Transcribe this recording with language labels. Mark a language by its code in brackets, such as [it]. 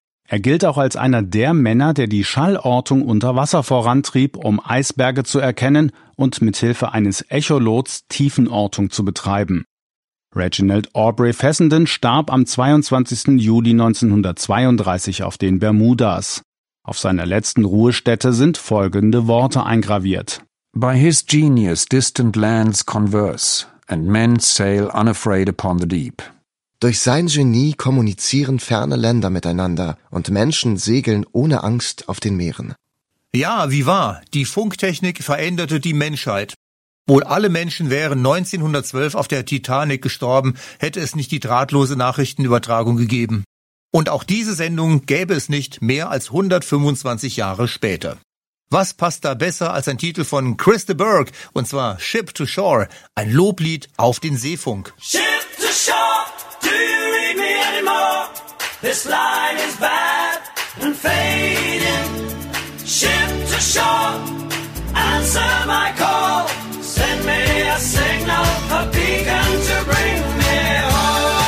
[de] Er gilt auch als einer der Männer, der die Schallortung unter Wasser vorantrieb, um Eisberge zu erkennen und mithilfe eines Echolots Tiefenortung zu betreiben. Reginald Aubrey Fessenden starb am 22. Juli 1932 auf den Bermudas. Auf seiner letzten Ruhestätte sind folgende Worte eingraviert. [en] By his genius distant lands converse, and men sail unafraid upon the deep. [de] Durch sein Genie kommunizieren ferne Länder miteinander und Menschen segeln ohne Angst auf den Meeren. Ja, wie wahr, die Funktechnik veränderte die Menschheit. Wohl alle Menschen wären 1912 auf der Titanic gestorben, hätte es nicht die drahtlose Nachrichtenübertragung gegeben. Und auch diese Sendung gäbe es nicht mehr als 125 Jahre später. Was passt da besser als ein Titel von Chris de Burgh, und zwar Ship to Shore, ein Loblied auf den Seefunk. [en] Ship to shore, do you read me anymore? This line is bad and fading. Ship to shore, answer my call. Send me a signal, a beacon to bring me home.